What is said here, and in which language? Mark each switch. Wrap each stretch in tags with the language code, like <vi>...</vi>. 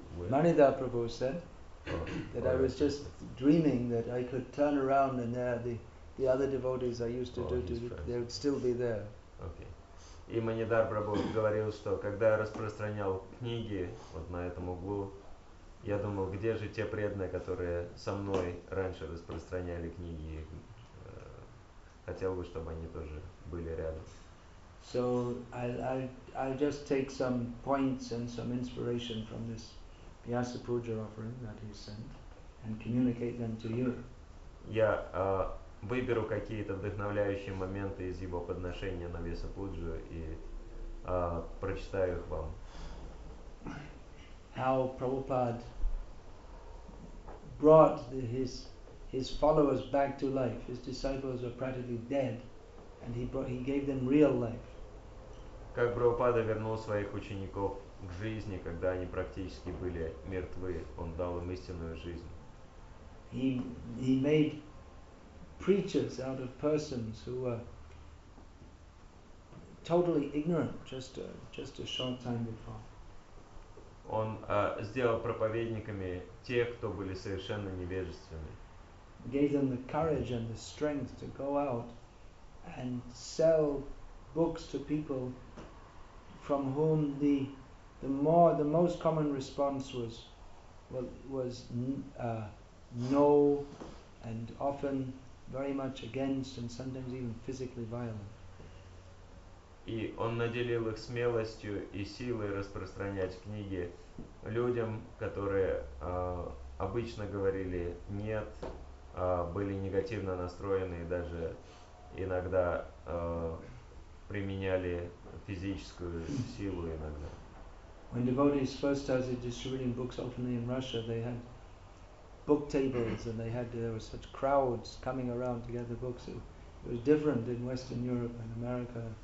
<en>Manidhar Prabhu said that I was just dreaming that I could turn around and there the the other devotees I used to do to, they would still be there. Okay.</en> <ru>И Манидар Прабху говорил, что когда я распространял книги вот на этом углу, я думал, где же те преданные, которые со мной раньше распространяли книги, хотел бы, чтобы они тоже были рядом.</ru> <en>So I'll just take some points and some inspiration from this Vyasa Puja offering that he sent and communicate them to you.</en> <ru>Я выберу какие-то вдохновляющие моменты из его подношения на Вьяса Пуджу и прочитаю их вам.</ru> <en>How Prabhupada brought the, his followers back to life. His disciples were practically dead, and he gave them real life.</en> <ru>Как Прабхупада вернул своих учеников к жизни, когда они практически были мертвы, он дал им истинную жизнь.</ru> <en>He made preachers out of persons who were totally ignorant just a short time before.</en> <ru>Он сделал проповедниками тех, кто были совершенно невежественны.</ru> <en>Gave them the courage and the strength to go out and sell books to people from whom the most common response was no, and often very much against, and sometimes even physically violent.</en> <ru>И он наделил их смелостью и силой распространять книги людям, которые обычно говорили нет, были негативно настроены и даже иногда применяли физическую силу иногда.</ru> <en>When devotees first started distributing books openly in Russia, they had book tables and there were such crowds coming around to get the books. It was different in Western Europe and America.</en>